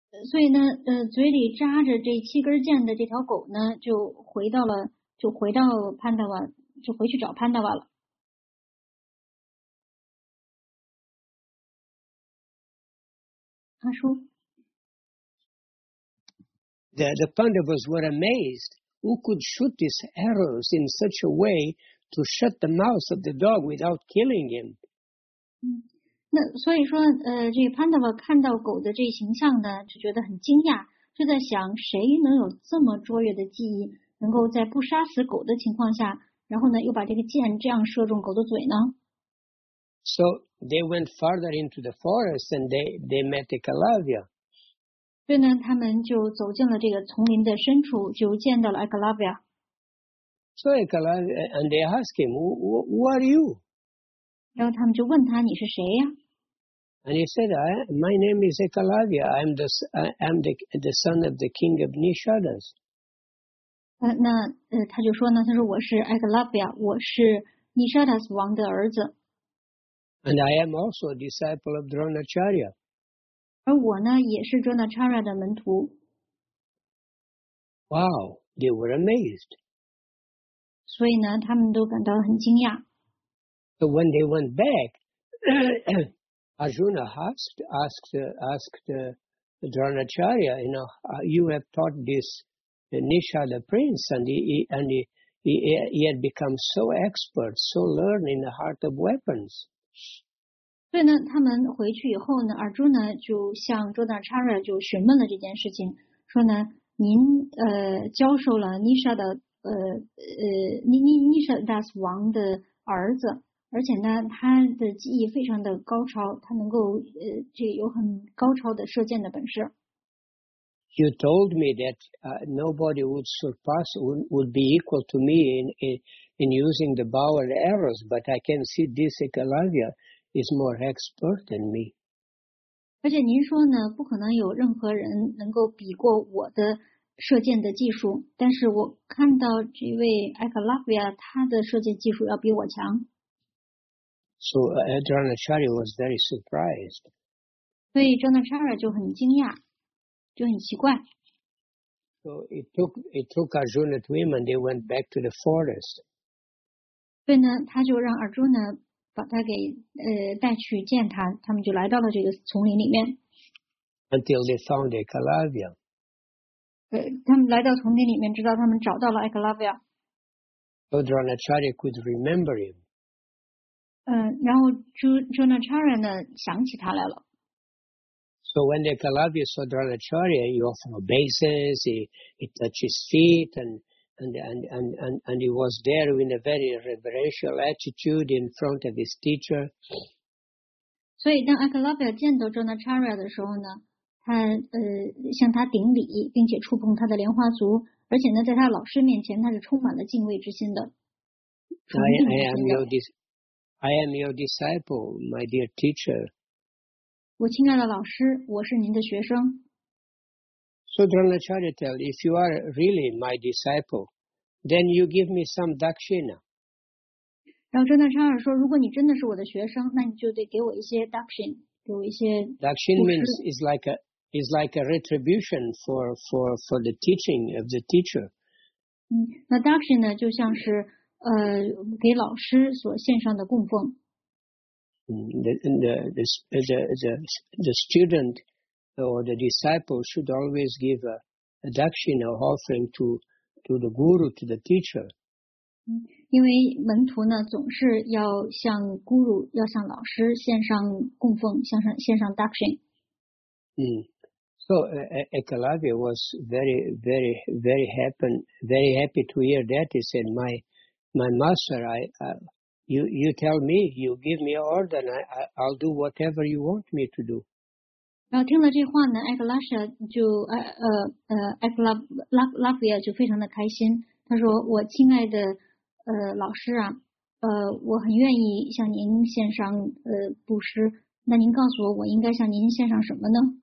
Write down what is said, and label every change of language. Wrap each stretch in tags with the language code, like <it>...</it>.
<zh>所以呢，嘴里扎着这七根箭的这条狗呢，就回去找潘达瓦了。阿叔</zh> <en>，The Pandavas were amazed. Who could shoot these arrows in such a way to shut the mouth of the dog without killing him？</en> <zh>那所以说，这个 Pandava 看到狗的这形象呢，就觉得很惊讶，就在想谁能有这么卓越的技艺，能够在不杀死狗的情况下，然后呢又把这个箭这样射中狗的嘴呢？</zh> <en>So they went farther into the forest and they met the Calavia.</en> <zh>对呢，他们就走进了这个丛林的深处，就见到了 Calavia.</zh> <en>So Calavia and they ask him, "Who are you?"</en> <zh>然后他们就问他你是谁呀？</zh> <en>And he said, "My name is Calavia. I'm the son of the king of Nishadas."</en> <zh>他就说呢，他说我是 Calavia， 我是 Nishadas 王的儿子。</zh> <en>And I am also a disciple of Dronacharya.</en> <zh>而我呢，也是 Dronacharya 的门徒。</zh> <en>Wow, they were amazed.</en> <zh>所以呢，他们都感到很惊讶。</zh> <en>So when they went back, Arjuna asked Dronacharya, you know, you have taught this Nishada prince, and he had become so expert, so learned in the heart of weapons.</en> <zh>所以呢，他们回去以后呢，Arjuna就向 Dronacharya 就询问了这件事情，说呢，您教授了 Nishada Nishada's 王的儿子。而且呢，他的技艺非常的高超，他能够这有很高超的射箭的本事。</zh> <en>You told me that nobody would surpass, would be equal to me in using the bow and arrows, but I can see this Calavia is more expert than me.</en> <zh>而且您说呢，不可能有任何人能够比过我的射箭的技术，但是我看到这位 Calavia 他的射箭技术要比我强。</zh> <en>So Dronacharya was very surprised.</en> <zh>所以 Dronacharya 就很惊讶，就很奇怪。</zh> <en>So it took Arjuna to him, and they went back to the forest.</en> <zh>所以呢，他就让 Arjuna 把他给带去见他，他们就来到了这个丛林里面。</zh> <en>Until they found the Calavia.</en> <zh>他们来到丛林里面，直到他们找到了 Calavia.</zh> <en>So Dronacharya could remember him.</en> <zh>然后 Dronacharya 呢想起他来了。</zh> <en>So when the Calavia saw Dronacharya, he offered obeisance, he touched his feet, and he was there in a very reverential attitude in front of his teacher.</en> <zh>所以当 Calavia 见到 Dronacharya 的时候呢，他向他顶礼，并且触碰他的莲花足，而且呢，在他老师面前，他是充满了敬畏之心的。</zh> <en>I am your disciple, my dear teacher.</en> <zh>我亲爱的老师，我是您的学生。</zh> <en>So Dronacharya tell, if you are really my disciple, then you give me some dakshina.</en> <zh>然后 Dronacharya 说，如果你真的是我的学生，那你就得给我一些 dakshina， 给我一些。</zh> <en>Dakshina means is like a retribution for the teaching of the teacher.</en> <zh>那 dakshina 就像是。给老师所献上的供奉。</zh> <en>The student or the disciple should always give a dakshina offering to the guru, to the teacher.</en> <zh>因为门徒呢总是要向 guru， 要向老师献上供奉，献上 dakshina。</zh> <en>So Calavia was very happy to hear that. He said, My master, you tell me, you give me order, and I'll do whatever you want me to do.</en> <zh>然后听了这话呢，艾格拉什就艾格拉夫亚就非常的开心。他说：“我亲爱的老师啊，我很愿意向您献上布施。那您告诉我，我应该向您献上什么呢？</zh>